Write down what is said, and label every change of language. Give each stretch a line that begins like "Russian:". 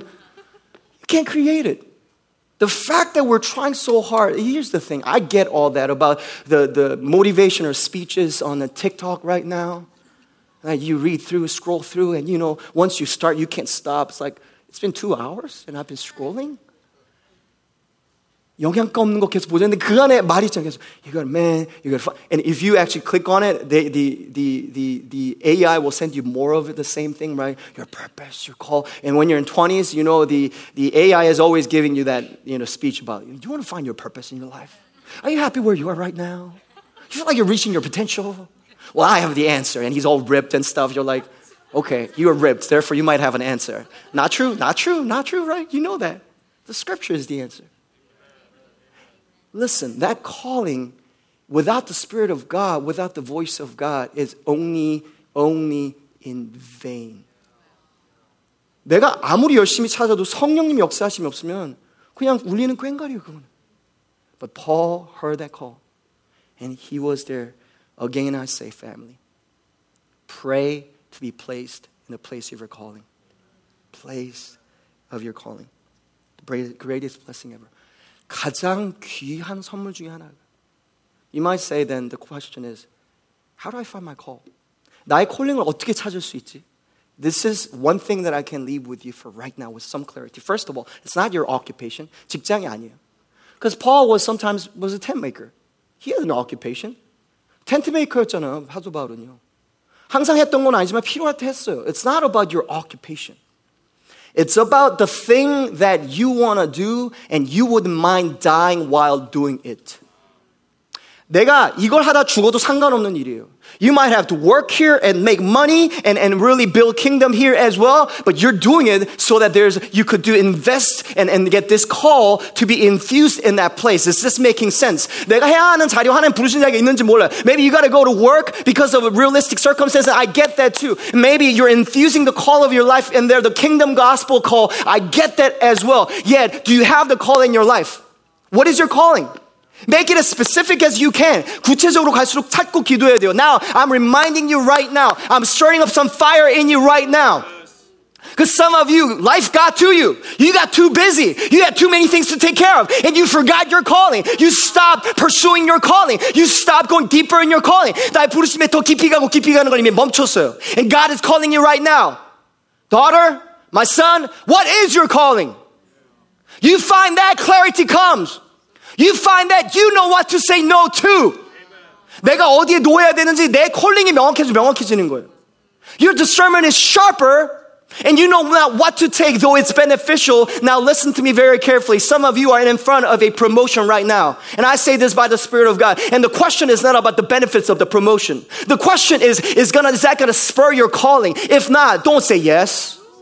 English: You can't create it. The fact that we're trying so hard, here's the thing. I get all that about the motivation or speeches on the TikTok right now. Like you read through, scroll through, and you know, once you start, you can't stop. It's like, it's been 2 hours and I've been scrolling.
Korean: 영향가 없는 거 계속 보자는데 그 안에 말이 있잖아.
English: 계속, you got a man, you got a fun. And if you actually click on it, the AI will send you more of it, the same thing, right? Your purpose, your call. And when you're in 20s, you know, the AI is always giving you that, you know, speech about, you want to find your purpose in your life? Are you happy where you are right now? You feel like you're reaching your potential? Well, I have the answer. And he's all ripped and stuff. You're like, okay, you are ripped. Therefore, you might have an answer. Not true, not true, not true, right? You know that. The scripture is the answer. Listen, that calling, without the Spirit of God, without the voice of God, is only in vain.
Korean: 내가 아무리 열심히 찾아도 성령님 역사하심이 없으면 그냥 울리는 꽹과리요 그건.
English: But Paul heard that call, and he was there. Again, I say, family, pray to be placed in the place of your calling. Place of your calling. The greatest blessing ever.
Korean: 가장 귀한 선물 중에 하나가.
English: You might say then the question is, how do I find my call?
Korean: 나의 콜링을 어떻게 찾을 수 있지?
English: This is one thing that I can leave with you for right now with some clarity. First of all, it's not your occupation.
Korean: 직장이 아니에요.
English: Because Paul was sometimes a tent maker. He had an occupation.
Korean: 텐트 메이커였잖아, 사도 바울은요. 항상 했던 건 아니지만 필요할 때 했어요.
English: It's not about your occupation. It's about the thing that you want to do and you wouldn't mind dying while doing it.
Korean: 내가 이걸 하다 죽어도 상관없는 일이에요.
English: You might have to work here and make money and really build kingdom here as well, but you're doing it so that you could invest and get this call to be infused in that place. Is this making sense?
Korean: 내가 해야 하는 자리와 하나님 부르신 자리가 있는지 몰라.
English: Maybe you got to go to work because of a realistic circumstance. I get that too. Maybe you're infusing the call of your life in there, the kingdom gospel call. I get that as well. Yet, do you have the call in your life? What is your calling? Make it as specific as you can.
Korean: 구체적으로 갈수록 찾고 기도해야 돼요.
English: Now, I'm reminding you right now. I'm stirring up some fire in you right now. Because some of you, life got to you. You got too busy. You had too many things to take care of. And you forgot your calling. You stopped pursuing your calling. You stopped going deeper in your calling.
Korean: 나의 부르심에 더 깊이 가고 깊이 가는 걸 이미 멈췄어요.
English: And God is calling you right now. Daughter, my son, what is your calling? You find that clarity comes. You find that you know what to say no to. Amen.
Korean: 내가 어디에 놓아야 되는지 내 콜링이 명확해지는 거예요.
English: Your discernment is sharper and you know not what to take though it's beneficial. Now listen to me very carefully. Some of you are in front of a promotion right now. And I say this by the Spirit of God. And the question is not about the benefits of the promotion. The question is that going to spur your calling? If not, don't say yes.